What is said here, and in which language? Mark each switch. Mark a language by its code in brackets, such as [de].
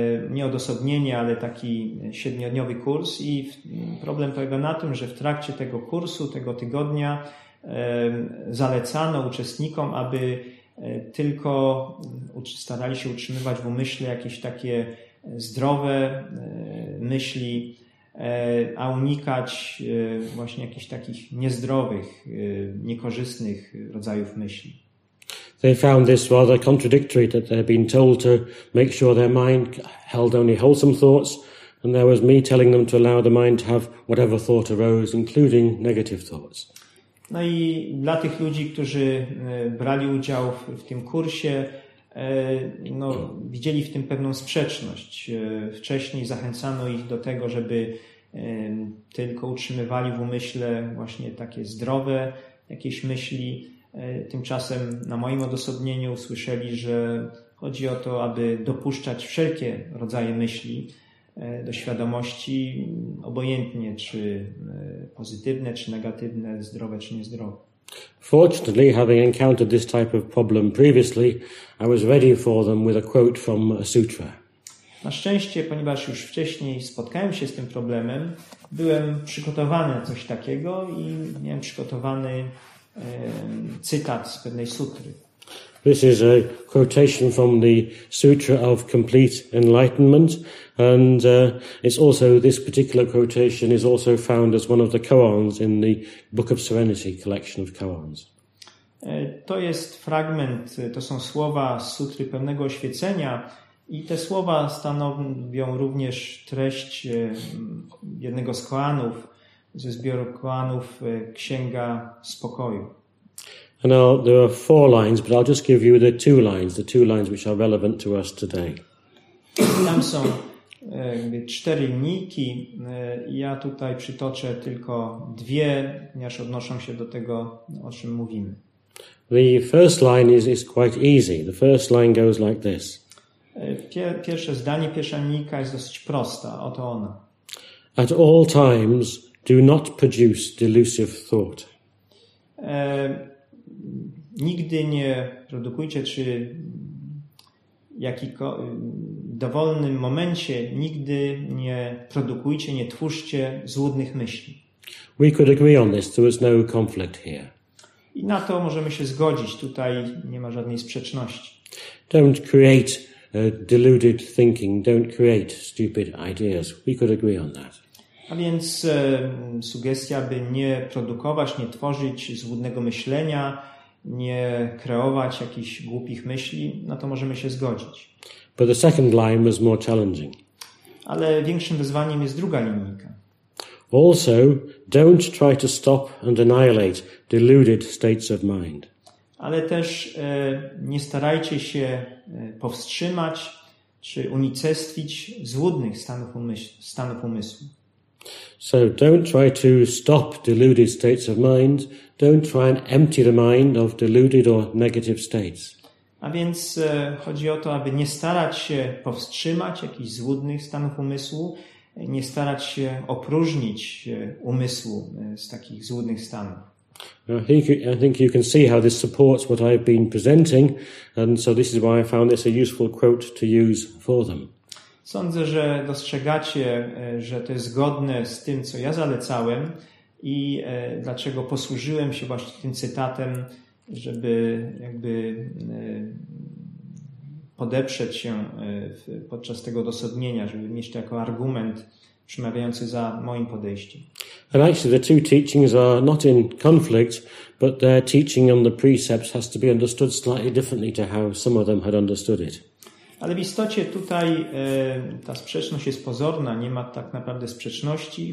[pl] Nie odosobnienie, ale taki 7-dniowy kurs. I problem polega na tym, że w trakcie tego kursu, tego tygodnia, zalecano uczestnikom, aby tylko starali się utrzymywać w umyśle jakieś takie zdrowe myśli, a unikać właśnie jakichś takich niezdrowych, niekorzystnych rodzajów myśli. [en] They found this rather contradictory, that they'd been told to make sure their mind held only wholesome thoughts, and there was me telling them to allow the mind to have whatever thought arose, including negative thoughts. [pl] No i dla tych ludzi, którzy brali udział w tym kursie, no, widzieli w tym pewną sprzeczność. Wcześniej zachęcano ich do tego, żeby tylko utrzymywali w umyśle właśnie takie zdrowe jakieś myśli. Tymczasem na moim odosobnieniu usłyszeli, że chodzi o to, aby dopuszczać wszelkie rodzaje myśli do świadomości, obojętnie czy pozytywne, czy negatywne, zdrowe, czy niezdrowe. [en] Fortunately, having encountered this type of problem previously, I was ready for them with a quote from a sutra. [pl] Na szczęście, ponieważ już wcześniej spotkałem się z tym problemem, byłem przygotowany na coś takiego i miałem przygotowany cytat z pewnej sutry. [en] This is a quotation from the Sutra of Complete Enlightenment, and it's also, this particular quotation is also found as one of the koans in the Book of Serenity collection of koans. [pl] To jest fragment, to są słowa z Sutry Pełnego Oświecenia i te słowa stanowią również treść jednego z koanów, ze zbioru koanów Księga Spokoju. [en] And I'll, there are four lines, but I'll just give you the two lines which are relevant to us today. [pl] Tam są cztery linijki. Ja tutaj przytoczę tylko dwie, ponieważ odnoszą się do tego, o czym mówimy. [en] The first line is quite easy. The first line goes like this. [pl] Pierwsze zdanie, pierwsza linijka jest dosyć prosta. Oto ona. [en] At all times, do not produce delusive thought. [pl] Nigdy nie produkujcie, czy w dowolnym momencie nigdy nie produkujcie, nie twórzcie złudnych myśli. [en] We could agree on this. There was no conflict here. [pl] I na to możemy się zgodzić. Tutaj nie ma żadnej sprzeczności. [en] Don't create deluded thinking. Don't create stupid ideas. We could agree on that. [pl] A więc sugestia, by nie produkować, nie tworzyć złudnego myślenia, nie kreować jakichś głupich myśli, no to możemy się zgodzić. [en] But the second line was more challenging. [pl] Ale większym wyzwaniem jest druga linijka. [en] Also, don't try to stop and annihilate deluded states of mind. [pl] Ale też nie starajcie się powstrzymać czy unicestwić złudnych stanów umysłu. [en] So don't try to stop deluded states of mind. Don't try and empty the mind of deluded or negative states. [pl] A więc chodzi o to, aby nie starać się powstrzymać jakichś złudnych stanów umysłu, nie starać się opróżnić umysłu z takich złudnych stanów. [en] I think you can see how this supports what I've been presenting, and so this is why I found this a useful quote to use for them. [pl] Sądzę, że dostrzegacie, że to jest zgodne z tym, co ja zalecałem i dlaczego posłużyłem się właśnie tym cytatem, żeby jakby podeprzeć się podczas tego dosadnienia, żeby mieć to jako argument przemawiający za moim podejściem. [en] And actually the two teachings are not in conflict, but their teaching on the precepts has to be understood slightly differently to how some of them had understood it. [pl] Ale w istocie tutaj ta sprzeczność jest pozorna, nie ma tak naprawdę sprzeczności.